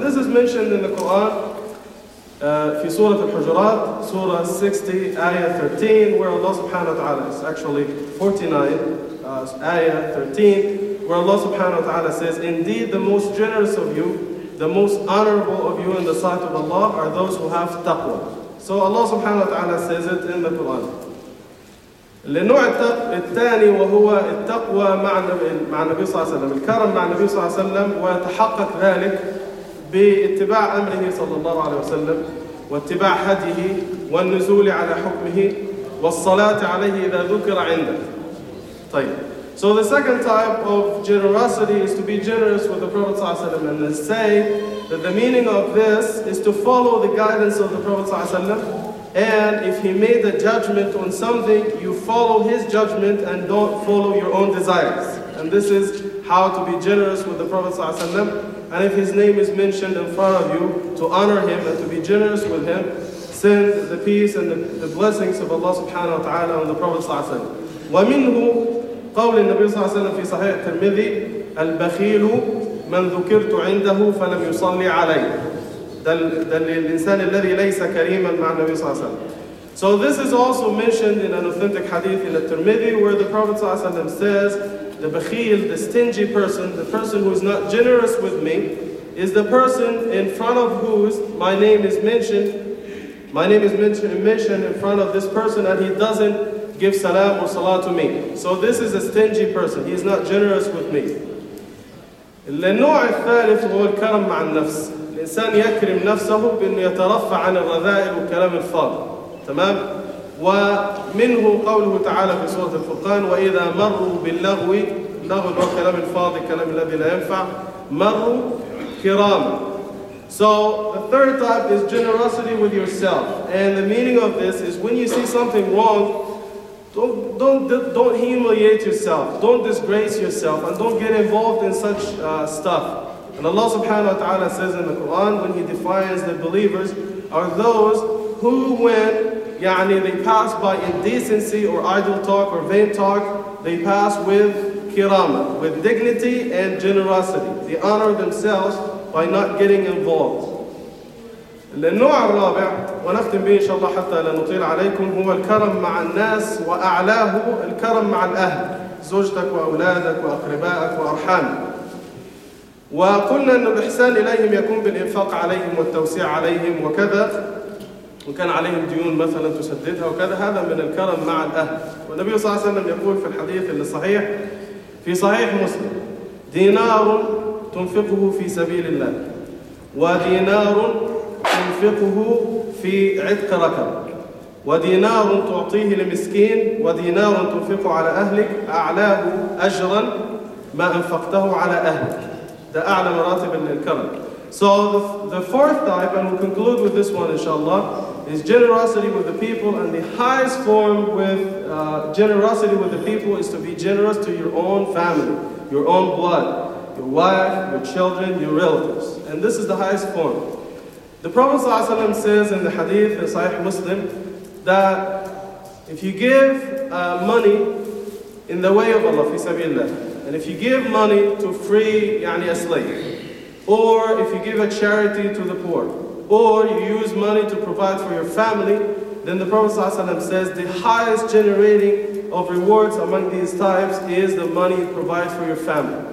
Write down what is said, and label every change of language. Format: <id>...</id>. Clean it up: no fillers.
<en>And this is mentioned in the Quran,</en> <ar>في سورة الحجرات,</ar> <en>Surah 60, Ayah 13, where Allah subhanahu wa ta'ala is actually 49. Ayah 13, where Allah subhanahu wa ta'ala says, indeed the most generous of you, the most honorable of you in the sight of Allah are those who have taqwa. So Allah subhanahu wa ta'ala says it in the Quran.</en> <ar>لنوع الثاني وهو التقوى مع النبي صلى الله عليه وسلم. الكرم مع النبي صلى الله عليه وسلم ويتحقق ذلك باتباع أمره صلى الله عليه وسلم واتباع هديه والنزول على حكمه والصلاة عليه إذا ذكر عنده.</ar> <en>So the second type of generosity is to be generous with the Prophet ﷺ, and they say that the meaning of this is to follow the guidance of the Prophet ﷺ, and if he made a judgment on something, you follow his judgment and don't follow your own desires. And this is how to be generous with the Prophet ﷺ, and if his name is mentioned in front of you, to honor him and to be generous with him, send the peace and the blessings of Allah subhanahu wa ta'ala on the Prophet ﷺ.</en> <ar>ومنه قول النبي صلى الله عليه وسلم في صحيح الترمذي: البخيل من ذكرت عنده فلم يصلي عليه. ده الإنسان الذي ليس كريما مع النبي صلى الله عليه وسلم.</ar> <en>So this is also mentioned in an authentic hadith in the Tirmidhi, where the Prophet</en> <ar>صلى الله عليه وسلم</ar> <en>says, the bakhil, the stingy person, the person who is not generous with me, is the person in front of whose my name is mentioned. My name is mentioned in front of this person, and he doesn't give salam or salah to me. So this is a stingy person. He is not generous with me.</en> <ar>النوع الثالث هو الكرم مع النفس. الإنسان يكرم نفسه بأن يترفع عن الرذائل وكلام الفاضل. تمام؟ ومنه قوله تعالى في سورة الفرقان: وإذا مروا باللغو، لغو هو كلام الفاضل، كلام الذي لا ينفع، مروا كراما.</ar> <en>So the third type is generosity with yourself. And the meaning of this is when you see something wrong, Don't humiliate yourself. Don't disgrace yourself, and don't get involved in such stuff. And Allah subhanahu wa ta'ala says in the Quran, when He defines the believers, are those who, when يعني, they pass by indecency or idle talk or vain talk, they pass with kirama, with dignity and generosity. They honor themselves by not getting involved.</en> <ar>النوع الرابع ونختم به إن شاء الله حتى لا نطيل عليكم هو الكرم مع الناس وأعلاه الكرم مع الأهل زوجتك وأولادك وأقربائك وأرحامك وقلنا أن الإحسان إليهم يكون بالإنفاق عليهم والتوسيع عليهم وكذا وكان عليهم ديون مثلا تسددها وكذا هذا من الكرم مع الأهل والنبي صلى الله عليه وسلم يقول في الحديث الصحيح في صحيح مسلم دينار تنفقه في سبيل الله ودينار تنفقه في عتق رقبة ودينار تعطيه لمسكين ودينار تنفقه على أهلك أعلاه أجرا ما أنفقته على أهلك ده أعلى مراتب الكرم.</ar> <en>So the fourth type, and we'll conclude with this one inshallah, is generosity with the people, and the highest form with generosity with the people is to be generous to your own family, your own blood, your wife, your children, your relatives. And this is the highest form. The Prophet ﷺ says in the hadith in Sahih Muslim that if you give money in the way of Allah, fi sabilillah, and if you give money to free يعني, a slave, or if you give a charity to the poor, or you use money to provide for your family, then the Prophet ﷺ says the highest generating of rewards among these types is the money you provide for your family.</en>